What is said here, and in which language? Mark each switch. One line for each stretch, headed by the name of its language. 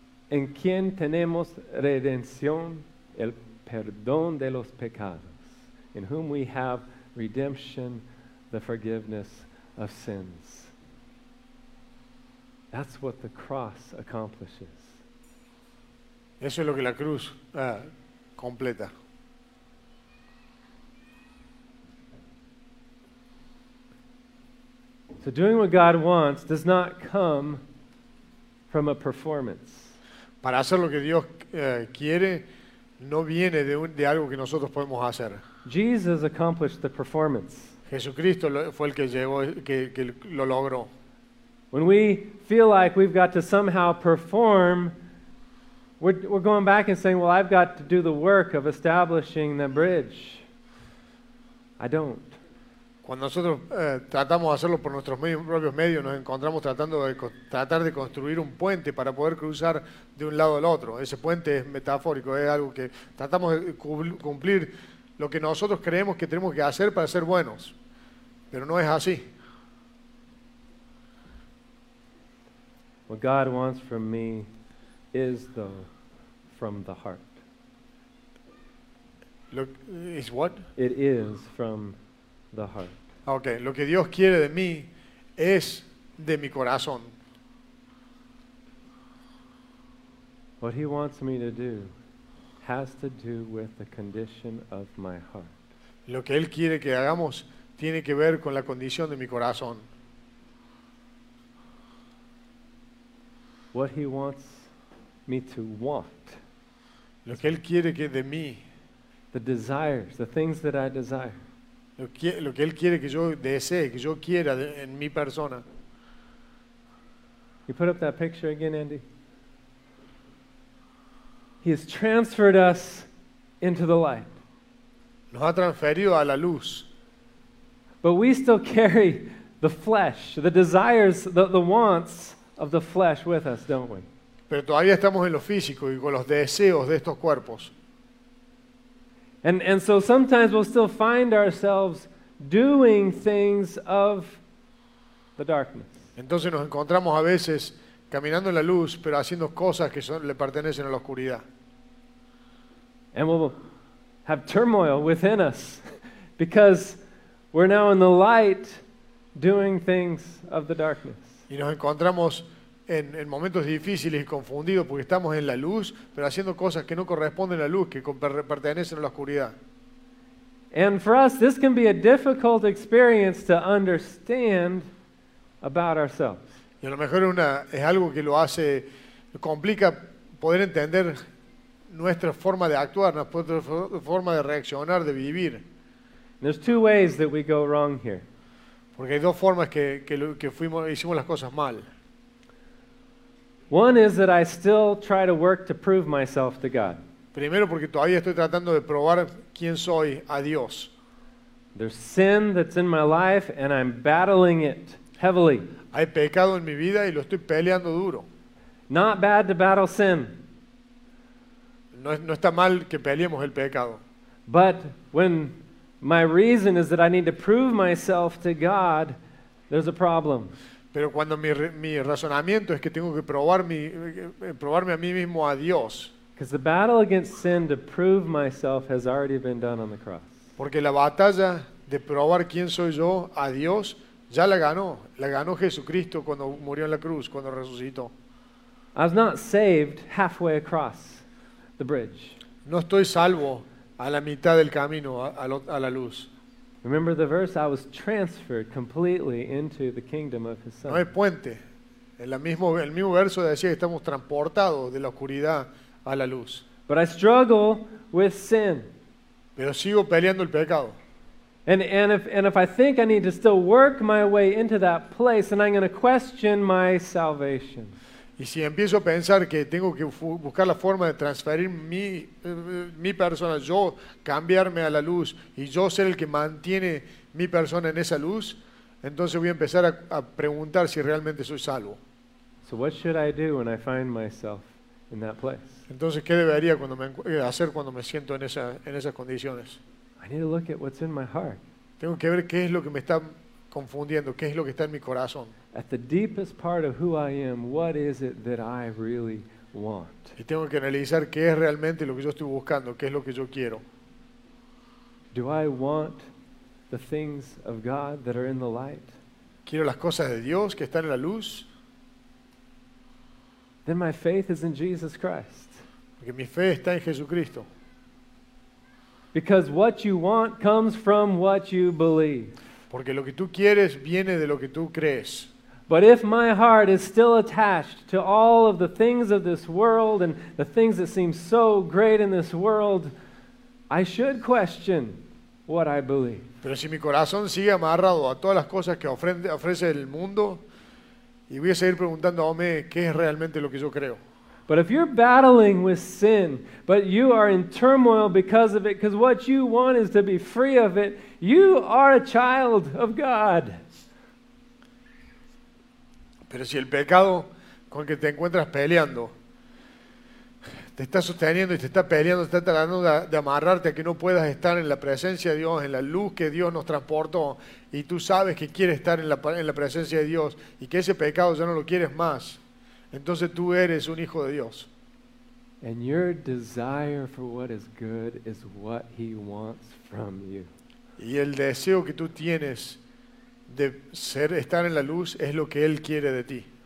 Spanish: En quien tenemos redención, el perdón de los pecados.
English: In whom we have redemption, the forgiveness of sins. That's what the cross accomplishes.
Spanish: Eso es lo que la cruz completa.
English: So doing what God wants does not come from a performance.
Spanish: Para hacer lo que Dios quiere no viene de algo que nosotros podemos hacer.
English: Jesus accomplished the performance.
Spanish: Jesucristo fue el que llevó que lo logró.
English: When we feel like we've got to somehow perform, we're going back and saying, well, I've got to do the work of establishing the bridge. I don't.
Spanish: Cuando nosotros tratamos de hacerlo por nuestros propios medios, nos encontramos tratando de tratar de construir un puente para poder cruzar de un lado al otro. Ese puente es metafórico, es algo que tratamos de cumplir lo que nosotros creemos que tenemos que hacer para ser buenos. Pero no es así.
English: What God wants from me is, though, from the heart. Look, is what? It is from the heart.
Spanish: Okay, lo que Dios quiere de mí es de mi corazón.
English: What He wants me to do has to do with the condition of my heart.
Spanish: Lo que Él quiere que hagamos tiene que ver con la condición de mi corazón.
English: What He wants me to want.
Spanish: Lo que Él quiere que de mí.
English: The desires, the things that I desire.
Spanish: Lo que Él quiere que yo desee, que yo quiera en mi persona.
English: You put up that picture again, Andy. He has transferred us into the light.
Spanish: Nos ha transferido a la luz.
English: But we still carry the flesh, the desires, the wants of the flesh with us, don't we?
Spanish: Pero todavía estamos en lo físico y con los deseos de estos cuerpos.
English: And so sometimes we'll still find ourselves doing things of the darkness.
Spanish: Entonces nos encontramos a veces caminando en la luz, pero haciendo cosas que son, le pertenecen a la oscuridad.
English: And we'll have turmoil within us because we're now in the light doing things of the darkness.
Spanish: Y nos encontramos en momentos difíciles y confundidos porque estamos en la luz, pero haciendo cosas que no corresponden a la luz, que pertenecen a la oscuridad.
English: And for us, this can be a difficult experience to understand about ourselves.
Spanish: Y a lo mejor es algo que lo hace, complica poder entender nuestra forma de actuar, nuestra forma de reaccionar, de vivir.
English: There's two ways that we go wrong here.
Spanish: Porque hay dos formas que fuimos, hicimos las cosas mal.
English: One is that I still try to work to prove myself to God.
Spanish: Primero porque todavía estoy tratando de probar quién soy a Dios.
English: There's sin that's in my life and I'm battling it heavily.
Spanish: Hay pecado en mi vida y lo estoy peleando duro.
English: Not bad to battle sin.
Spanish: No está mal que peleemos el pecado.
English: But when my reason is that I need to prove myself to God, there's a problem.
Spanish: Pero cuando mi razonamiento es que tengo que probarme a mí mismo a Dios.
English: Because the battle against sin to prove myself has already been done on the cross.
Spanish: Porque la batalla de probar quién soy yo a Dios ya la ganó. La ganó Jesucristo cuando murió en la cruz, cuando resucitó.
English: I was not saved halfway across the bridge.
Spanish: No estoy salvo a la mitad del camino a la luz.
English: Remember the verse, I was transferred completely into the kingdom of his son.
Spanish: No hay puente. El mismo verso decía que estamos transportados de la oscuridad a la luz.
English: But I struggle with sin.
Spanish: Pero sigo peleando el pecado.
English: And if I think I need to still work my way into that place, then I'm going to question my salvation.
Spanish: Y si empiezo a pensar que tengo que buscar la forma de transferir mi persona, yo cambiarme a la luz y yo ser el que mantiene mi persona en esa luz, entonces voy a empezar a preguntar si realmente soy salvo.
English: So what should I do when I find myself in that place?
Spanish: Entonces, ¿qué debería hacer cuando me siento en esas condiciones?
English: I need to look at what's in my heart.
Spanish: Tengo que ver qué es lo que me está confundiendo, qué es lo que está en mi corazón.
English: At the deepest part of who I am, what is it that I really want?
Spanish: Y tengo que analizar qué es realmente lo que yo estoy buscando, qué es lo que yo quiero.
English: Do I want the things of God that are in the light?
Spanish: ¿Quiero las cosas de Dios que están en la luz?
English: Then my faith is in Jesus Christ.
Spanish: Porque mi fe está en Jesucristo.
English: Because what you want comes from what you believe.
Spanish: Porque lo que tú quieres viene de lo que tú crees.
English: But if my heart is still attached to all of the things of this world and the things that seem so great in this world, I should question what I believe.
Spanish: Pero si mi corazón sigue amarrado a todas las cosas que ofrece el mundo, y voy a seguir preguntando a mí qué es realmente lo que yo creo.
English: But if you're battling with sin, but you are in turmoil because of it, because what you want is to be free of it, you are a child of God.
Spanish: Pero si el pecado con el que te encuentras peleando te está sosteniendo y te está peleando, te está tratando de amarrarte a que no puedas estar en la presencia de Dios, en la luz que Dios nos transportó, y tú sabes que quieres estar en la presencia de Dios y que ese pecado ya no lo quieres más, entonces tú eres un hijo de Dios.
English: And your desire for what is good is what he wants from you.
Spanish: Y el deseo que tú tienes de ser, estar en la luz, es lo que Él quiere de ti.